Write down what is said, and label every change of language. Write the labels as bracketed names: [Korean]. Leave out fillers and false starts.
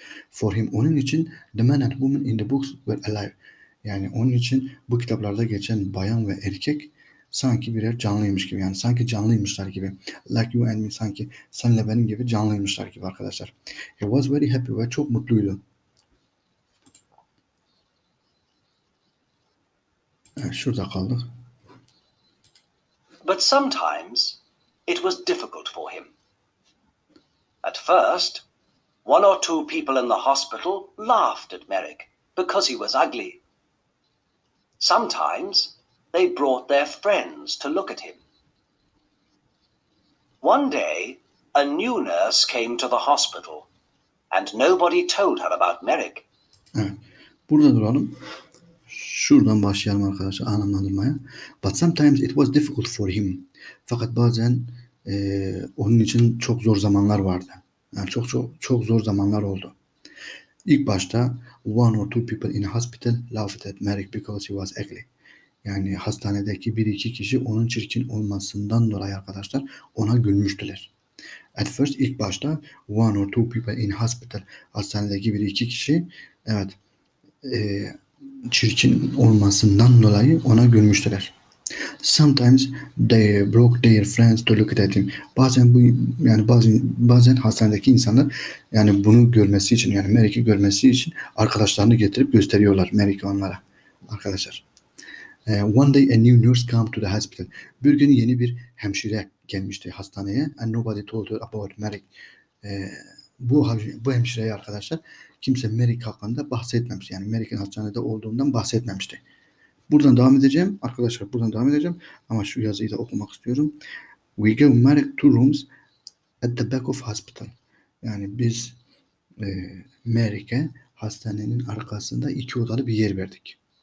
[English] For him, [Turkish] onun için [English] the men and women in the books were alive. [Turkish] Yani onun için bu kitaplarda geçen bayan ve erkek sanki birer canlıymış gibi. Yani sanki canlıymışlar gibi. [English] Like you and me, [Turkish] sanki senle benim gibi canlıymışlar gibi arkadaşlar. [English] He was very happy [Turkish] ve çok mutluydu. Evet, şurada kaldık. [English] But sometimes it was difficult for him. At first, one or two people in the hospital laughed at Merrick because he was ugly. Sometimes they brought their friends to look at him. One day, a new nurse came to the hospital and nobody told her about Merrick. [Turkish] Evet, burada duralım. Şuradan başlayalım arkadaşlar anlamlandırmaya. [English] But sometimes it was difficult for him. [Turkish] Fakat bazen onun için çok zor zamanlar vardı. Yani çok çok çok zor zamanlar oldu. İlk başta [English] one or two people in a hospital laughed at Merrick because he was ugly. [Turkish] Yani hastanedeki bir iki kişi onun çirkin olmasından dolayı arkadaşlar ona gülmüştüler. [English] At first, [Turkish] ilk başta [English] one or two people in hospital, [Turkish] hastanedeki bir iki kişi, evet, çirkin olmasından dolayı ona gülmüştüler. [English] Sometimes they broke their friends to look at him. [Turkish] Bazen bu yani bazen hastanedeki insanlar yani bunu görmesi için yani Mary'i görmesi için arkadaşlarını getirip gösteriyorlar Mary'i onlara arkadaşlar. [English] One day a new nurse came to the hospital. [Turkish] Bir gün yeni bir hemşire gelmişti hastaneye. [English] And nobody told her about Mary. [Turkish] Bu hemşireye arkadaşlar kimse Mary hakkında bahsetmemiş. Yani Mary'in hastanede olduğundan bahsetmemişti. Buradan devam edeceğim. Arkadaşlar buradan devam edeceğim. Ama şu yazıyı da okumak istiyorum. [English] We gave Mary two rooms at the back of hospital. [Turkish] Yani biz Mary'e hastanenin arkasında iki odalı bir yer verdik.